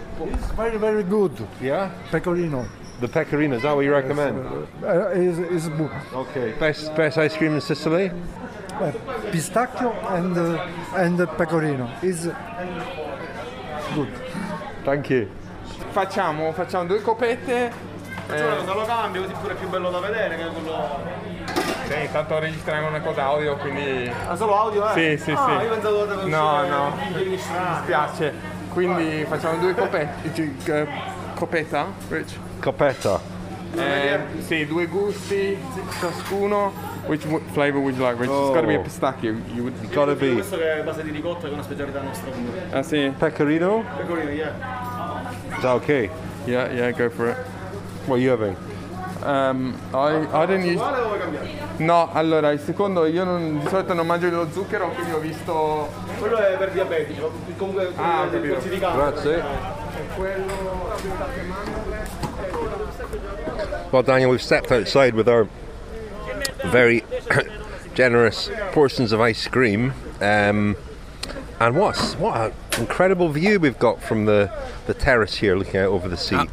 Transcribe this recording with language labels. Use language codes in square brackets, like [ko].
[en] It's very, very good. Yeah? Pecorino. The pecorino, is that what you recommend? It's good. Okay. Best ice cream in Sicily? Pistachio and pecorino is good. Thank you. [it] Facciamo due copette. Lo cambio, così pure più bello da vedere che quello. Sì, intanto registriamo una cosa audio, quindi... Ah, solo audio, eh? Sì. Io pensavo da No. Mi dispiace. Quindi facciamo due copette. Copetta, Rich? Copetta. Sì, due gusti, ciascuno. [en] Which flavor would you like, Rich? Oh. It's got to be a pistachio. It's got to be. [it] Questo che è base di ricotta, che è una specialità nostra. Ah, sì. Pecorino? [en] Pecorino, yeah. Is that okay? Yeah, go for it. What are you having? [it] Allora, il secondo, io non, di solito non mangio lo zucchero, quindi ho visto... Quello è per diabetici, comunque per il corso di casa. Grazie. [en] Well, Daniel, we've stepped outside with our very generous portions of ice cream. And what an incredible view we've got from the terrace here, looking out over the sea.